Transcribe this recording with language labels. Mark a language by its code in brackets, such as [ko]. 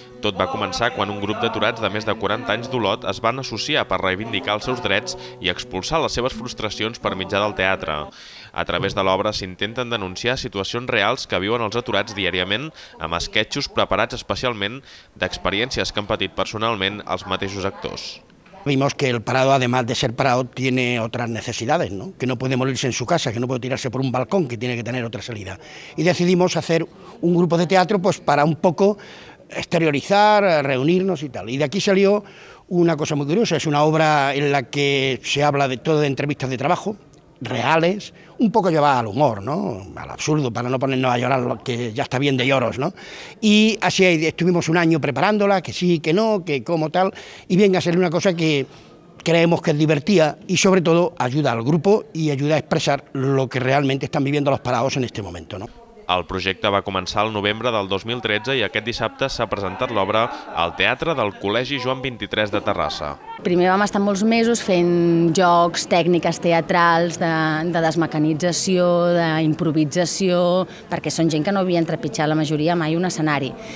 [ca] Tot va començar quan un grup d'aturats de més de 40 anys d'Olot es van associar per reivindicar els seus drets i expulsar les seves frustracions per mitjà del teatre. A través de l'obra s'intenten denunciar situacions reals que viuen els aturats diàriament amb esquetxos preparats especialment d'experiències que han patit personalment els mateixos actors. [es] Vimos que el parado, además de ser parado, tiene otras necesidades, ¿no? Que no puede morirse en su casa, que no puede tirarse por un balcón, que tiene que tener otra salida. Y decidimos hacer un grupo de teatro pues, para un poco exteriorizar, reunirnos y tal. Y de aquí salió una cosa muy curiosa, es una obra en la que se habla de todo de entrevistas de trabajo, reales, un poco llevada al humor, ¿no? Al absurdo, para no ponernos a llorar, que ya está bien de lloros, ¿no? Y así estuvimos un año preparándola, que sí, que no, que como tal, y venga a ser una cosa que creemos que es divertida y sobre todo ayuda al grupo y ayuda a expresar lo que realmente están viviendo los parados en este momento, ¿no? [ca] El projecte va començar el novembre del 2013 i aquest dissabte s'ha presentat l'obra al Teatre del Col·legi Joan 23 de Terrassa. Primer vam estar molts mesos fent jocs, tècniques teatrals de desmecanització, d'improvisació, perquè són gent que no havien trepitjat la majoria mai un escenari.